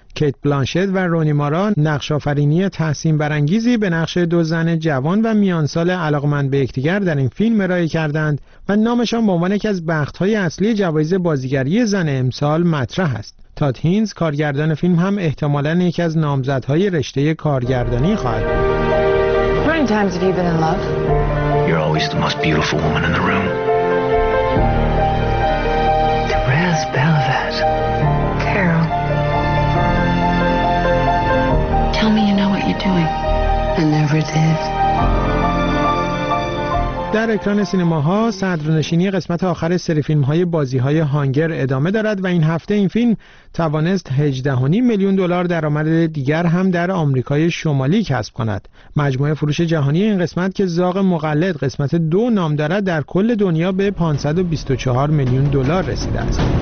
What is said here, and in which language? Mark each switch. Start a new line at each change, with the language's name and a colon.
Persian: کیت بلانشت و رونی مارا نقش‌آفرینی تحسین برانگیزی به نقش 2 زن جوان و میانسال علاقمند به یکدیگر در این فیلم ارائه کردند و نامشان به عنوان یکی از بخت‌های اصلی جوایز بازیگری زن امسال مطرح است. تاد هینز کارگردان فیلم هم احتمالاً یکی از نامزدهای رشته کارگردانی خواهد بود.
English: You're always the most beautiful woman in the room. Therese Belavez. Carol. Tell me you know what you're doing. I never did.
Persian: در اکران سینماها صدرنشینی قسمت آخر سری فیلم‌های بازی‌های هانگر ادامه دارد و این هفته این فیلم توانست 18.5 میلیون دلار درآمد دیگر هم در آمریکای شمالی کسب کند. مجموعه فروش جهانی این قسمت که زاغ مقلد قسمت 2 نام دارد در کل دنیا به 524 میلیون دلار رسیده است.